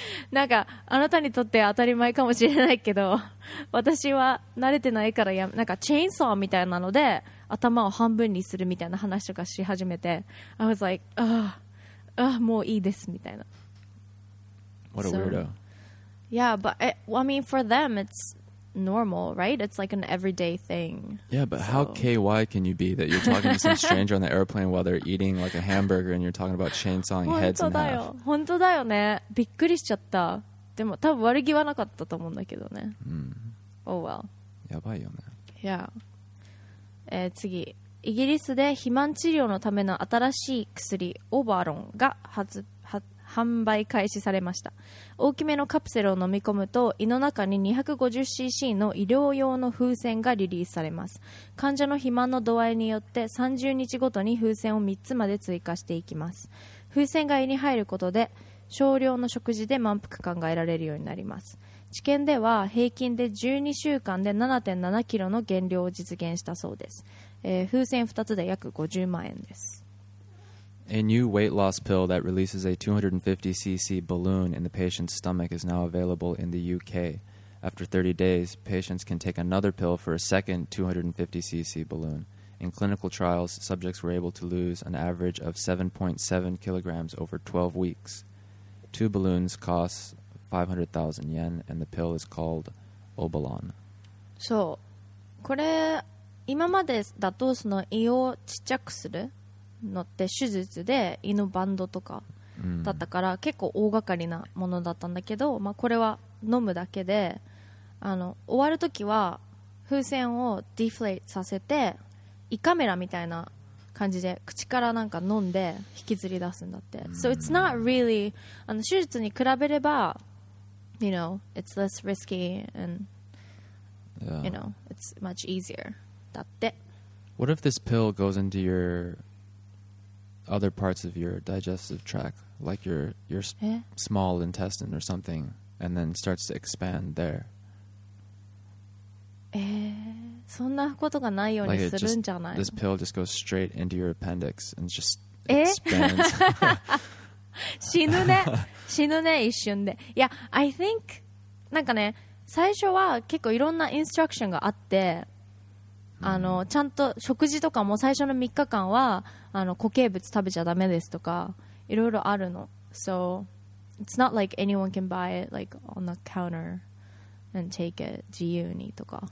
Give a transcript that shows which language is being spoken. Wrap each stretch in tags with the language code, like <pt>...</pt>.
<ja>なんか、あなたにとって当たり前かもしれないけど、私は慣れてないからやめ、なんかチェーンソーみたいなので、頭を半分にするみたいな話とかし始めて、</ja> <en>I was like, ah, ah,</en> <ja>もういいですみたいな。</ja> <en>What a weirdo. So, yeah, but it, I mean, for them, it's normal, right? It's like an everyday thing. Yeah, but how KY can you be that you're talking to some stranger on the airplane while they're eating like a hamburger and you're talking about chainsawing heads in half?</en> <ja>本当だよね。びっくりしちゃった。でも多分悪気はなかったと思うんだけどね。</ja> <en>Oh well.</en> <ja>やばいよね。</ja> <en>Yeah.</en> <ja>次。イギリスで肥満治療のための新しい薬、オバロンが販売開始されました大きめのカプセルを飲み込むと胃の中に 250cc の医療用の風船がリリースされます患者の肥満の度合いによって30日ごとに風船を3つまで追加していきます風船が胃に入ることで少量の食事で満腹感が得られるようになります治験では平均で12週間で 7.7 キロの減量を実現したそうです、風船2つで約50万円です</ja> <en>A new weight loss pill that releases a 250cc balloon in the patient's stomach is now available in the UK. After 30 days, patients can take another pill for a second 250cc balloon. In clinical trials, subjects were able to lose an average of 7.7 kilograms over 12 weeks. Two balloons cost 500,000 yen, and the pill is called Obalon. So,</en> <ja>これ今までだとその胃をちっちゃくする? のって手術で胃のバンドとかだったから結構大掛かりなものだったんだけど、まあ、これは飲むだけであの終わるときは風船をディフレイトさせて胃カメラみたいな感じで口からなんか飲んで引きずり出すんだって、mm.</ja> <en>So it's not really</en> <ja>あの手術に比べれば</ja> <en>You know, it's less risky And、 yeah. you know, it's much easier</en> <ja>だって</ja> <en>What if this pill goes into yourother parts of your digestive tract like your small intestine or something and then starts to expand there</en> <ja>そんなことがないようにするんじゃない</ja> <en>this pill just goes straight into your appendix and just expands</en> <ja>死ぬね死ぬね一瞬でいや</ja> <en>I think</en> <ja>なんかね最初は結構いろんなインストラクションがあってあのちゃんと食事とかも最初の3日間はあの固形物食べちゃダメですとかいろいろあるの</ja> <en>So it's not like anyone can buy it like on the counter and take it</en> <ja>自由にとか</ja>